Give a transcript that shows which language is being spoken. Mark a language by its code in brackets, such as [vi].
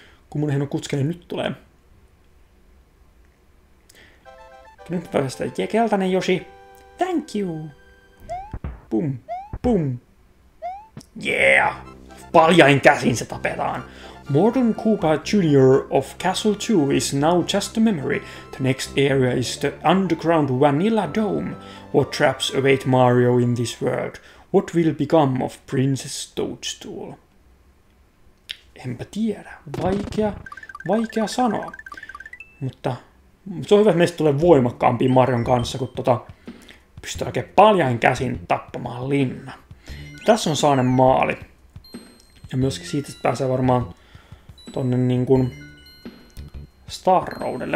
[fi] Kun mun hieno kutskeni nyt tulee. Nyt päästä keltainen Yoshi. [en] Thank you. [fi] Pum, pum. Yeah. Paljain käsin se tapetaan. [en] Morden Koopa Jr. of Castle 2 is now just a memory. The next area is the underground Vanilla Dome. What traps await Mario in this world? What will become of Princess Toadstool? [fi] Enpä tiedä. Vaikea sanoa. Mutta se on hyvä, että meistä tulee voimakkaampi Marion kanssa, kun pystyy oikein paljain käsin tappamaan linna. Tässä on saanen maali. Ja myöskin siitä pääsee varmaan tonne niin kuin Star Roadelle.